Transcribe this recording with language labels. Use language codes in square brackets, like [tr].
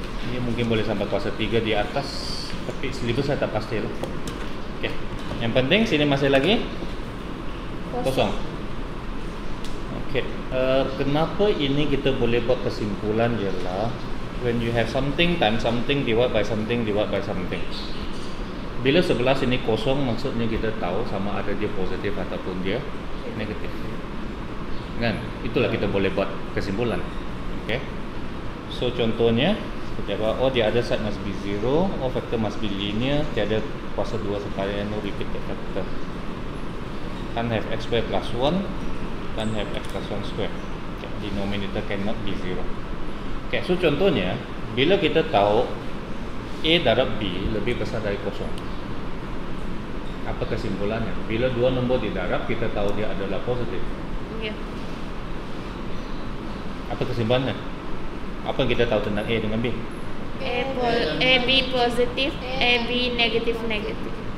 [ms] Ini mungkin boleh sampai kuasa 3 di atas, tapi syllabus saya tak pasti lah. Okay, yang penting sini masih lagi kosong. Okay, kenapa ini kita boleh buat kesimpulan ialah [en] when you have something times something divided by something divided by something. [ms] Bila 11 ini kosong, maksudnya kita tahu sama ada dia positif ataupun dia negatif. Kan? Itulah kita boleh buat kesimpulan. [en] Okay? So [ms] contohnya, apa? [en] Oh, the other side must be zero. Oh, factor must be linear. [ms] Tiada kuasa dua sekalian, [en] no repeated factor. Can't have x squared plus 1. Can't have x plus 1 squared. [ms] Okay. [en] Denominator cannot be zero. [ms] Okay, so contohnya, bila kita tahu A darab B lebih besar dari kosong, apa kesimpulannya? Bila dua nombor didarab, kita tahu dia adalah positif. Ya. Apa kesimpulannya? Apa yang kita tahu tentang A dengan B? AB positif, AB negatif-negatif.